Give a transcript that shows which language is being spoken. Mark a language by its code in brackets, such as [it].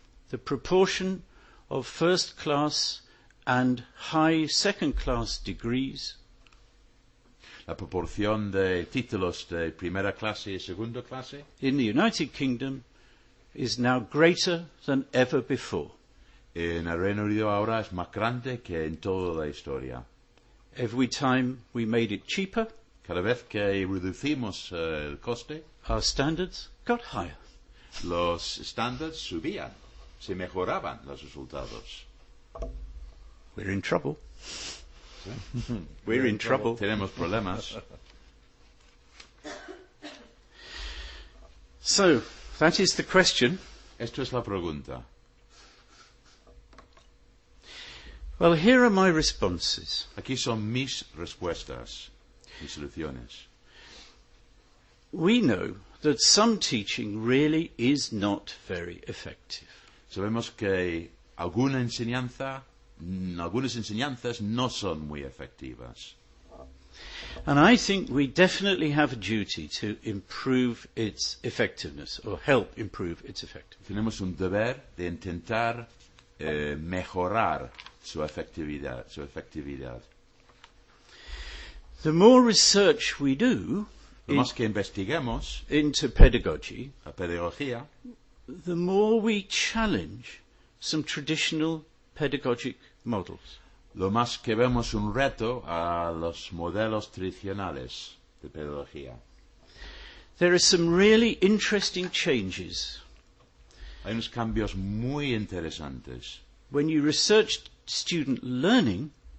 [en] The proportion of first class and high second class degrees. [es] La proporción de títulos de primera clase y segunda clase. [en] In the United Kingdom is now greater than ever before. [es] En el Reino Unido ahora es más grande que en toda la historia. [en] Every time we made it cheaper, [es] cada vez que reducimos el coste, [en] our standards got higher. [es] Los standards subían, se mejoraban los resultados. [en] We're in trouble. ¿Sí? We're in trouble. [es] Tenemos problemas. [en] So, that is the question. [es] Esto es la pregunta. [en] Well, here are my responses. [es] Aquí son mis respuestas, mis soluciones. [en] We know that some teaching really is not very effective. [es] Sabemos que alguna enseñanza, algunas enseñanzas no son muy efectivas. [en] And I think we definitely have a duty to improve its effectiveness, or help improve its effectiveness. [es] Tenemos un deber de intentar mejorar su efectividad, su efectividad. [en] The more research we do, [es] lo más que investigamos [en] into pedagogy, [es] la pedagogía, [en] the more we challenge some traditional pedagogic models. [es] Lo más que vemos un reto a los modelos tradicionales de pedagogía. [en] There are some really interesting changes. [es] Hay unos cambios muy interesantes. [en] When you research student learning,